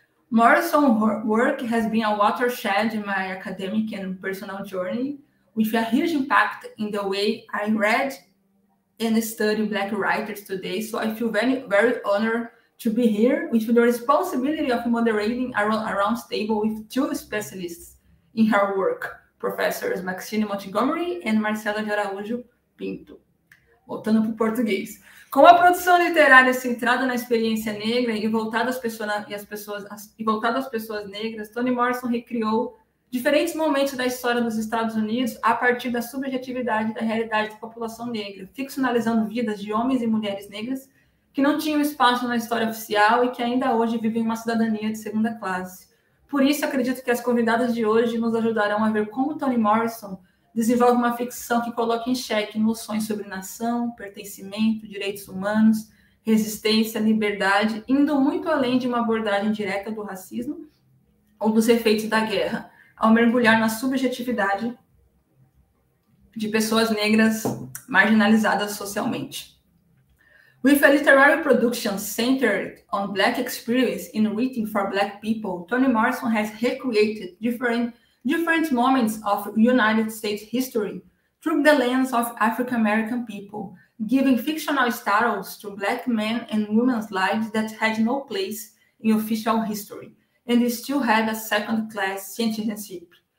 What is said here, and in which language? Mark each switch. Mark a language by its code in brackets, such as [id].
[en] Morrison's work has been a watershed in my academic and personal journey, with a huge impact in the way I read and study Black writers today. So I feel very, very honored to be here with the responsibility of moderating a round table with two specialists in her work, professors Maxine Montgomery and Marcela de Araújo Pinto. [pt] Voltando para o português. Como a produção literária centrada na experiência negra e voltada às pessoas negras, Toni Morrison recriou diferentes momentos da história dos Estados Unidos a partir da subjetividade da realidade da população negra, ficcionalizando vidas de homens e mulheres negras que não tinham espaço na história oficial e que ainda hoje vivem uma cidadania de segunda classe. Por isso, acredito que as convidadas de hoje nos ajudarão a ver como Toni Morrison desenvolve uma ficção que coloca em xeque noções sobre nação, pertencimento, direitos humanos, resistência, liberdade, indo muito além de uma abordagem direta do racismo ou dos efeitos da guerra, ao mergulhar na subjetividade de pessoas negras marginalizadas socialmente. [en] With a literary production centered on Black experience in writing for Black people, Toni Morrison has recreated different moments of United States history through the lens of African-American people, giving fictional status to Black men and women's lives that had no place in official history, and still had a second-class citizenship.